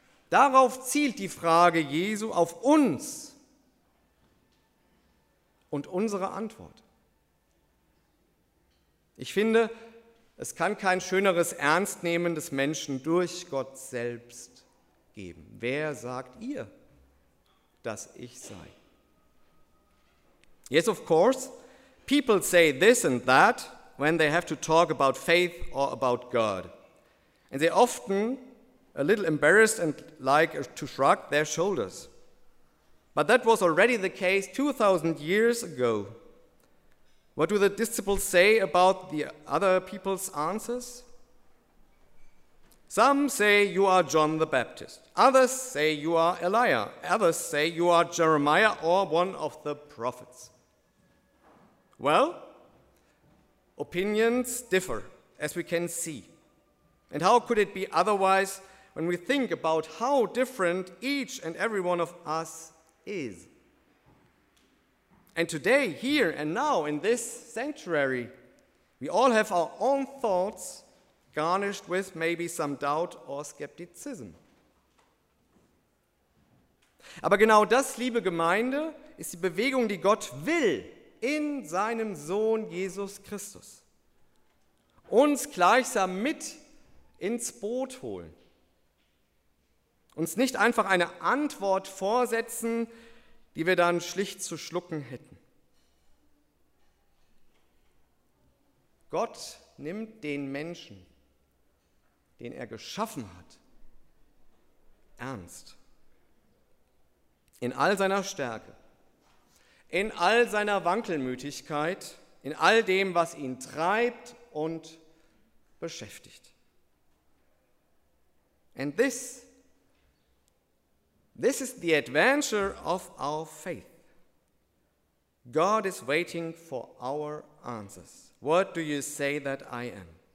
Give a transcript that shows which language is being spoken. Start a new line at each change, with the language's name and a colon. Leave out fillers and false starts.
German: Darauf zielt die Frage Jesu, auf uns und unsere Antwort. Ich finde, es kann kein schöneres Ernstnehmen des Menschen durch Gott selbst geben. Wer sagt ihr, dass ich sei?
English: Yes, of course, people say this and that when they have to talk about faith or about God. And they often, a little embarrassed and like to shrug their shoulders. But that was already the case 2,000 years ago. What do the disciples say about the other people's answers? Some say you are John the Baptist. Others say you are Elijah. Others say you are Jeremiah or one of the prophets. Well, opinions differ, as we can see. And how could it be otherwise when we think about how different each and every one of us is? And today, here and now, in this sanctuary, we all have our own thoughts garnished with maybe some doubt or skepticism.
German: Aber genau das, liebe Gemeinde, ist die Bewegung, die Gott will in seinem Sohn Jesus Christus. Uns gleichsam mit ins Boot holen. Uns nicht einfach eine Antwort vorsetzen, die wir dann schlicht zu schlucken hätten. Gott nimmt den Menschen, den er geschaffen hat, ernst. In all seiner Stärke, in all seiner Wankelmütigkeit, in all dem, was ihn treibt und beschäftigt.
English: And this is the adventure of our faith. God is waiting for our answers. What do you say that I am?